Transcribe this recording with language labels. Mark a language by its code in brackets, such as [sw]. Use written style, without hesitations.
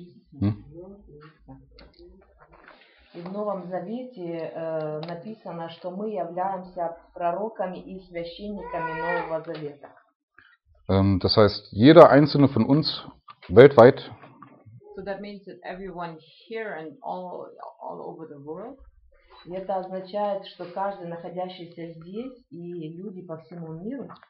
[ru] И в Новом Завете написано, что мы являемся пророками и священниками Нового Завета. [de] Das heißt, jeder einzelne von uns weltweit. [en] So that means that everyone here and all over the world. [ru] И это означает, что каждый находящийся здесь и люди по всему миру.